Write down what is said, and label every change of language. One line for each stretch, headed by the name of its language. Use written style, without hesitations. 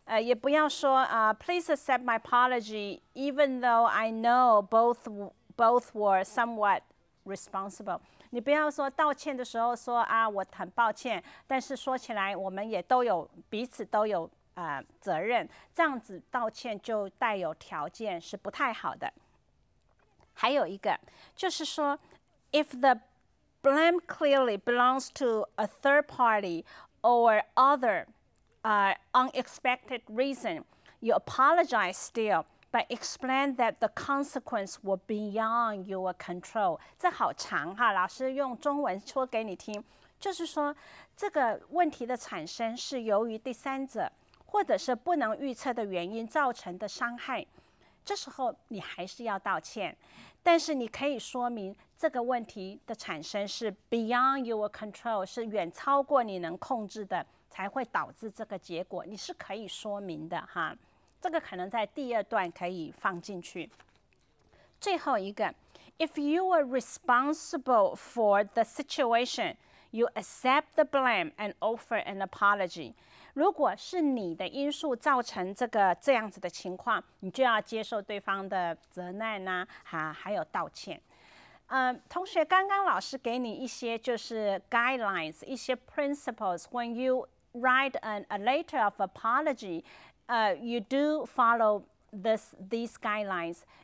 Chinese: 也不要说
English: please accept my apology even though I know both were somewhat responsible.
Chinese: 你不要说道歉的时候说啊我很抱歉，但是说起来我们也都有彼此都有责任，这样子道歉就带有条件是不太好的。还有一个就是说
English: if the blame clearly belongs to a third party or otherunexpected reason, you apologize still, but explain that the consequence were beyond your control.
Chinese: 这好长哈，老师用中文说给你听，就是说这个问题的产生是由于第三者或者是不能预测的原因造成的伤害，这时候你还是要道歉，但是你可以说明这个问题的产生是
English: beyond your control,
Chinese: 是远超过你能控制的才会导致这个结果，你是可以说明的哈。这个可能在第二段可以放进去。
English: 最后一个 If you are responsible for the situation, you accept the blame and offer an apology.
Chinese: 如果是你的因素造成这样子的情况，你就要接受对方的责难啊，还有道歉。同学，刚刚老师给你一些就是
English: guidelines, 一些 principles, when you write a letter of apology, you do follow these guidelines.